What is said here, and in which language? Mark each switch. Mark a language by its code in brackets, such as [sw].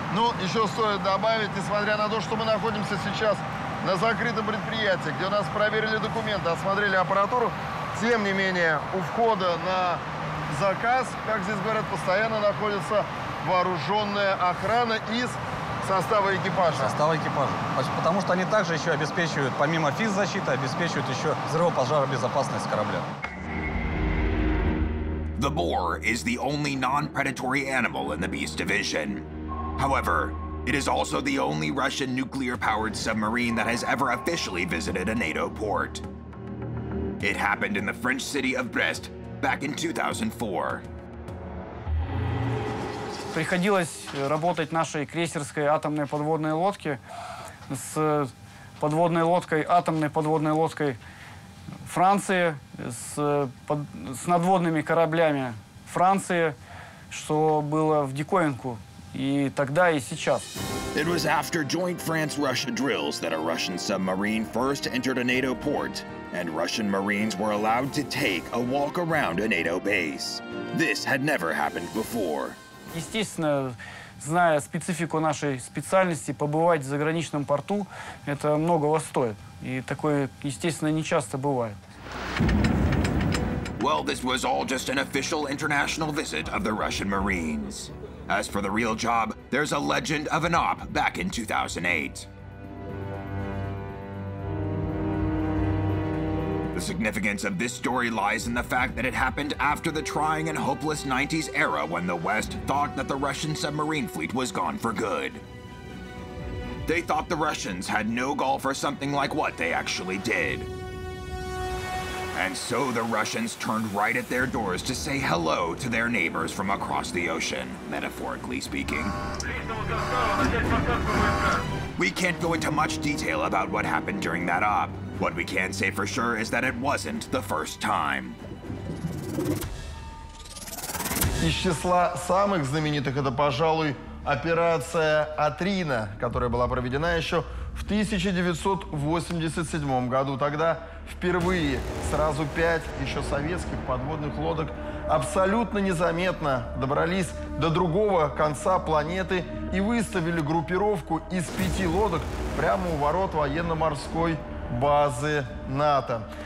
[ru] Ну, еще стоит добавить, несмотря на то, что мы находимся сейчас на закрытом предприятии, где у нас проверили документы, осмотрели аппаратуру, тем не менее у входа на заказ, как здесь говорят, постоянно находится вооруженная охрана из состава экипажа. Состава экипажа. Потому что они также еще обеспечивают, помимо физзащиты, обеспечивают еще взрыво-пожаробезопасность корабля. [en] The boar is the only non-predatory animal in the Beast Division. However, it is also the only Russian nuclear-powered submarine that has ever officially visited a NATO port. It happened in the French city of Brest back in 2004. [ru] Приходилось работать нашей крейсерской атомной подводной лодке с подводной лодкой, атомной подводной лодкой Франции, с надводными кораблями Франции, что было в диковинку и тогда, и сейчас. [en] It was after joint France-Russia drills that a Russian submarine first entered a NATO port, and Russian Marines were allowed to take a walk around a NATO base. This had never happened before. [ru] Естественно, зная специфику нашей специальности, побывать в заграничном порту – это многого стоит. И такое, естественно, не часто бывает. [en] Well, this was all just an official international visit of the Russian Marines. As for the real job, there's a legend of an op back in 2008. The significance of this story lies in the fact that it happened after the trying and hopeless 90s era when the West thought that the Russian submarine fleet was gone for good. They thought the Russians had no gall for something like what they actually did. And so the Russians turned right at their doors to say hello to their neighbors from across the ocean, metaphorically speaking. We can't go into much detail about what happened during that op. What we can say for sure is that it wasn't the first time. [ru] Из числа самых знаменитых это, пожалуй, операция «Атрина», которая была проведена еще в 1987 году. Тогда впервые сразу 5 еще советских подводных лодок абсолютно незаметно добрались до другого конца планеты и выставили группировку из 5 лодок прямо у ворот военно-морской базы НАТО.